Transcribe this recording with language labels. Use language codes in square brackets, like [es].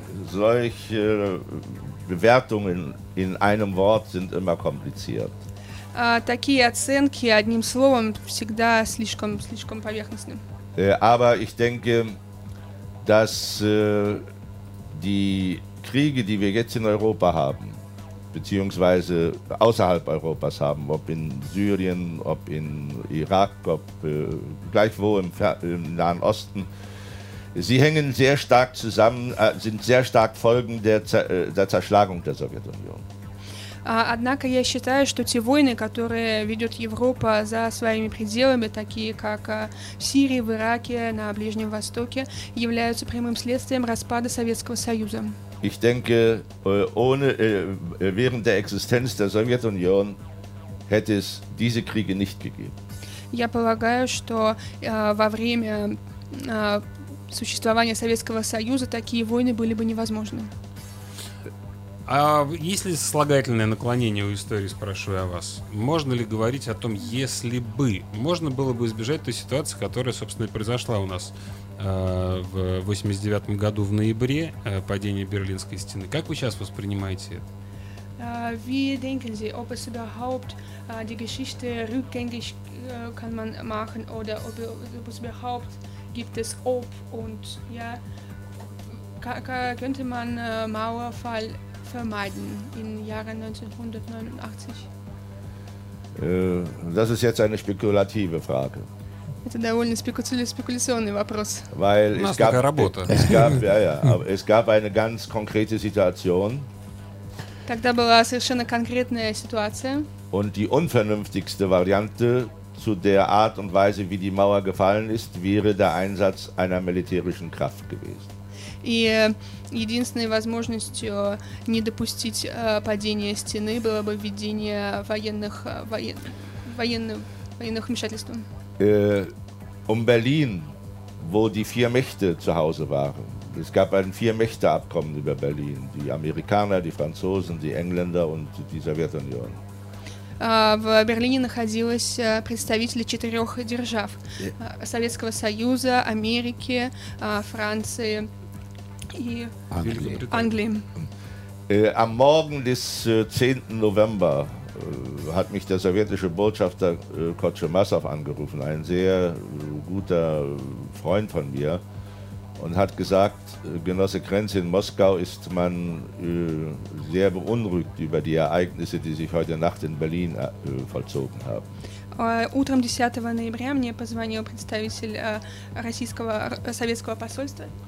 [de] Solche Bewertungen in einem Wort sind immer kompliziert. [ru] Такие оценки одним словом всегда слишком поверхностны. [de] Aber ich denke, dass die Kriege, die wir jetzt in Europa haben, beziehungsweise außerhalb Europas haben, ob in Syrien, ob in Irak, ob gleichwo im Nahen Osten, sie hängen sehr stark zusammen, sind sehr stark Folgen der Zerschlagung der Sowjetunion. [ru] Однако я считаю, что те войны, которые ведет Европа за своими пределами, такие как в Сирии, в Ираке, на Ближнем Востоке, являются прямым следствием распада Советского Союза. [de] Ich denke, während der Existenz der Sowjetunion hätte es diese Kriege nicht gegeben. [ru] Я полагаю, что во время существования Советского Союза такие войны были бы невозможны. А есть ли сослагательное наклонение у истории, спрашиваю я вас? Можно ли говорить о том, если бы? Можно было бы избежать той ситуации, которая, собственно, и произошла у нас в 89-м году в ноябре, падение Берлинской стены. Как вы сейчас воспринимаете это? [de] Wie denken Sie, ob es überhaupt die Geschichte rückgängig kann man machen oder ob es überhaupt gibt es ob und ja, könnte man Mauerfall vermeiden im Jahre 1989? Das ist jetzt eine spekulative Frage. [ru] Это довольно спекуляционный вопрос. [de] Weil [ru] у нас такая работа. Тогда была совершенно конкретная ситуация. [de] Und die unvernünftigste Variante zu der Art und Weise, wie die Mauer gefallen ist, wäre der Einsatz einer militärischen Kraft gewesen. [ru] И единственной возможностью не допустить падения стены было бы введение военных военных вмешательств. [de] Um Berlin, wo die vier Mächte zu Hause waren. Es gab ein Vier-Mächte-Abkommen über Berlin. Die Amerikaner, die Franzosen, die Engländer und die Sowjetunion. [ru] В Берлине находились представители четырех держав. Советского Союза, Америки, Франции и Англии. [de] Am Morgen des 10. November hat mich der sowjetische Botschafter Kotschemassow angerufen, ein sehr guter Freund von mir, und hat gesagt, Genosse Krenz, in Moskau ist man sehr beunruhigt über die Ereignisse, die sich heute Nacht in Berlin vollzogen haben. [ru] Утром 10 ноября мне позвонил представитель российского советского посольства.